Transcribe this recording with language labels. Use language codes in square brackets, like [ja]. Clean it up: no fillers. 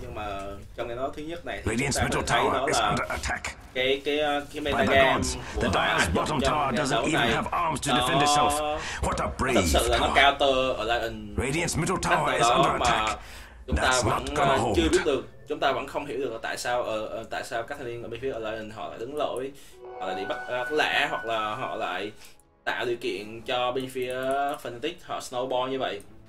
[vi] Nhưng mà trong cái đó thứ nhất này thì chúng ta có thể thấy đó là cái meta game của [en] Dire's bottom tower doesn't even have arms to defend itself. What a brave. [vi] Nó counter ở Lion. [en] Radiant's middle tower is under attack. [vi] Chúng ta vẫn chưa biết được. Chúng ta vẫn không hiểu được là tại sao các thanh niên ở bên phía Alliance họ lại đứng lỗi, họ lại bị bắt lẻ, hoặc là họ lại tạo điều kiện cho bên phía Fnatic họ snowball như vậy.